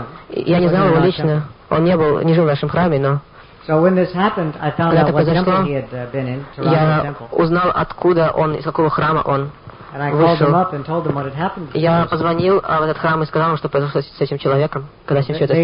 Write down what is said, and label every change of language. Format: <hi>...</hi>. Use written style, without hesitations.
<ru>Я не знал его лично. Он не жил в нашем храме, но</ru> <en>so when this happened, I found out what temple he had been in.</en> <ru>Я узнал, откуда он, из какого храма он вышел. Я позвонил в этот храм и сказал ему, что произошло с этим человеком, когда с ним все это</ru>